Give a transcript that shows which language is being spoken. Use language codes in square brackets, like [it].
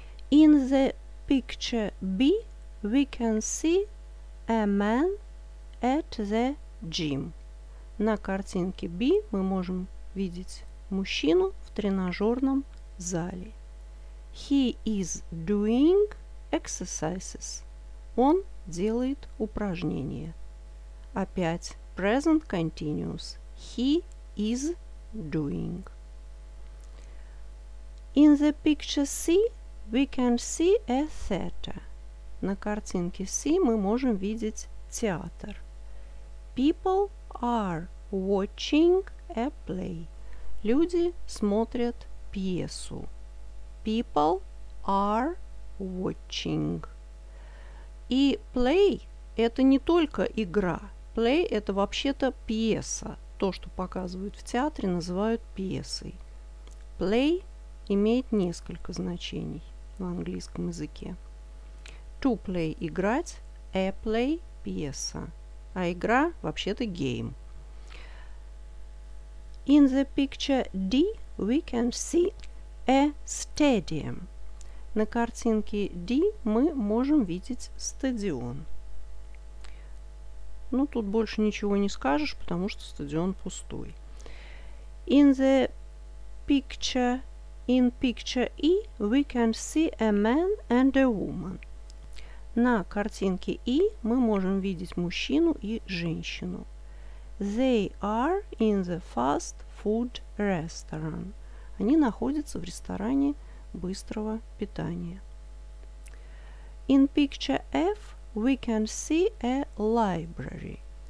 [en] In the picture B we can see a man at the gym. [ru] На картинке B мы можем видеть мужчину в тренажерном зале. [en] He is doing exercises. [ru] Он делает упражнения. Опять present continuous. [en] He is doing. In the picture C we can see a theater. [ru] На картинке C мы можем видеть театр. [en] People are watching a play. [ru] Люди смотрят пьесу. [en] People are watching. [ru] И play – это не только игра. Play – это вообще-то пьеса. То, что показывают в театре, называют пьесой. Play имеет несколько значений в английском языке. [en] To play – [ru] играть. [en] A play – [ru] пьеса. А игра – вообще-то game. [en] In the picture D we can see a stadium. [ru] На картинке D мы можем видеть стадион. Ну, тут больше ничего не скажешь, потому что стадион пустой. [en] In the picture, in picture E we can see a man and a woman. [ru] На картинке E мы можем видеть мужчину и женщину. [en] They are in the fast food restaurant. [ru] Они находятся в ресторане быстрого питания. [en] In picture F we can see a library.